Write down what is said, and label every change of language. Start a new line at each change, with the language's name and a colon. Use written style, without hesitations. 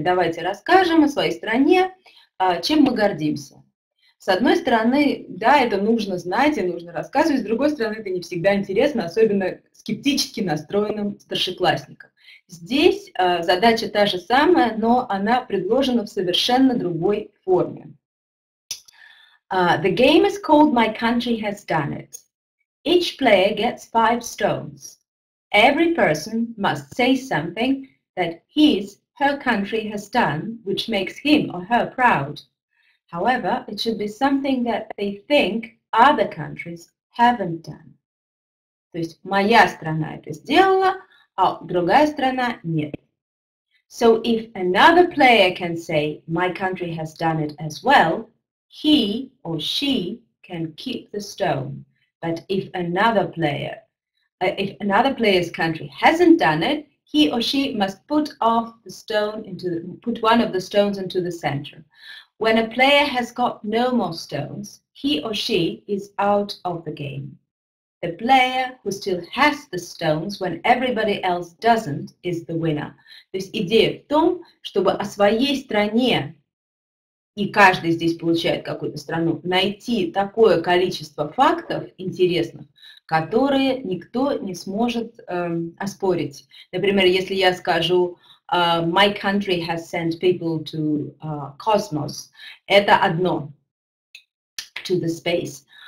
Russian: Давайте расскажем о своей стране, чем мы гордимся. С одной стороны, да, это нужно знать и нужно рассказывать, с другой стороны, это не всегда интересно, особенно скептически настроенным старшеклассникам. Здесь задача та же самая, но она предложена в совершенно другой форме.
English: The game is called My Country Has Done It. Each player gets 5 stones. Every person must say something that his, her country has done, which makes him or her proud. However, it should be something that they think other countries haven't done.
Russian: То есть моя страна это сделала, а другая страна нет.
English: So if another player can say my country has done it as well, He or she can keep the stone, but if another player, if another player's country hasn't done it, he or she must put off the stone into the, put one of the stones into the center. When a player has got no more stones, he or she is out of the game. The player who still has the stones when everybody else doesn't is the winner.
Russian: То есть идея в том, чтобы о своей стране, и каждый здесь получает какую-то страну, найти такое количество фактов интересных, которые никто не сможет оспорить. Например, если я скажу
English: «My country has sent people to cosmos»,
Russian: это одно,
English: «to the space».